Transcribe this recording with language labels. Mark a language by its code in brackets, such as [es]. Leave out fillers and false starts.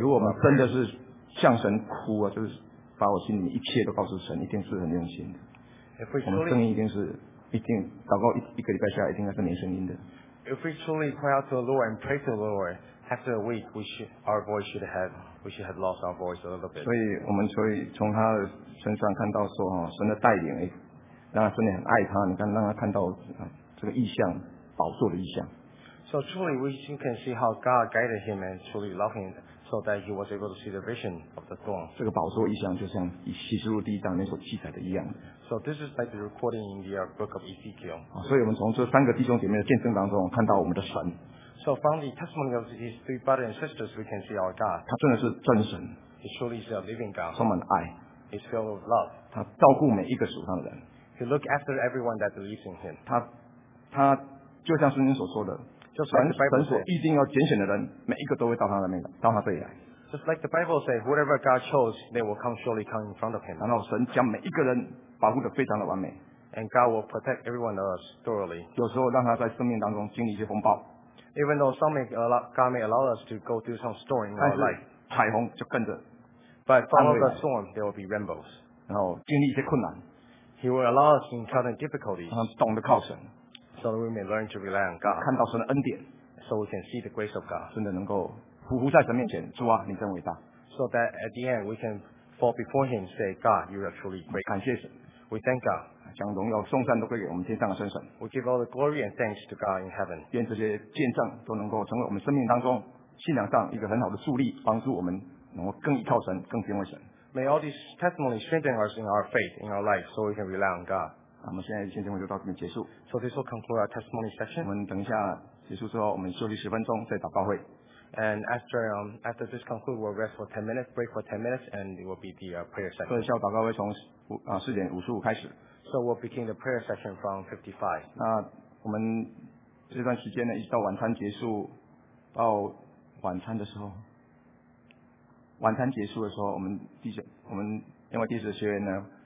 [zh] 如果我们真的是向神哭啊，就是把我心里一切都告诉神，一定是很用心的。 [en] If we truly, [zh] 我们声音一定祷告一个礼拜下来，一定是没声音的。 [en] If we truly cry out to the Lord and pray to the Lord after a week, we should have lost our voice a little bit. [zh] 所以我们可以从他的身上看到说，神的带领，让他真的很爱他。你看，让他看到这个意象。宝座的意象。 [en] So truly, we can see how God guided him and truly loved him, so that he was able to see the vision of the throne. [zh] 这个宝座意象就像以启示录第一章那所记载的一样。 [en] So this is like the recording in the book of Ezekiel. [zh] 所以我们从这三个弟兄姐妹的见证当中，看到我们的神。 [en] So from the testimony of these three brothers and sisters, we can see our God. [zh] 他真的是真神。 [en] He truly is a living God. [zh] 充满爱。 [en] He's filled with love. [zh] 他照顾每一个属他的人。 [en] He looks after everyone that believes in him. [zh] 他就像圣经所说的。神所预定要拣选的人，每一个都会到他的面前，到他这里来。 [en] Just like the Bible says, whoever God chose, they will come surely come in front of Him. [zh] 然后神将每一个人保护得非常的完美。 [en] And God will protect everyone of us thoroughly. [zh] 有时候让他在生命当中经历一些风暴。 [en] Even though some may allow, God may allow us to go through some storm in our life. [zh] 彩虹就跟着。 [en] But follow the storm, there will be rainbows. [zh] 然后经历一些困难。 [en] He will allow us to encounter difficulties. [zh] 懂得靠神。 [en] So we may learn to rely on God. [zh] 看到神的恩典 [en] ，so we can see the grace of God. [zh] 真的能够匍匐在神面前，主啊，你真伟大。 [en] So that at the end we can fall before Him, say, God, you are truly great. [zh] 感谢神。 [en] We thank God. [zh] 将荣耀颂赞都归给我们天上的圣神。 [en] We give all the glory and thanks to God in heaven. [zh] 愿这些见证都能够成为我们生命当中信仰上一个很好的助力，帮助我们能够更依靠神，更敬畏神。 [en] May all these testimonies strengthen us in our faith in our life, so we can rely on God. [zh] 我们现在先进会就到这边结束。 [en] So this will conclude our testimony session. [zh] 我们等一下结束之后，我们休息十分钟再祷告会。 [en] And after this conclude, we'll rest for 10 minutes, break for 10 minutes, and it will be the prayer session. [zh] 所以下午祷告会从四点五十五开始。 [en] So we'll begin the prayer session from 55. [zh] 那我们这段时间呢，一直到晚餐结束，到晚餐的时候，晚餐结束的时候，我们因为弟子的学员呢。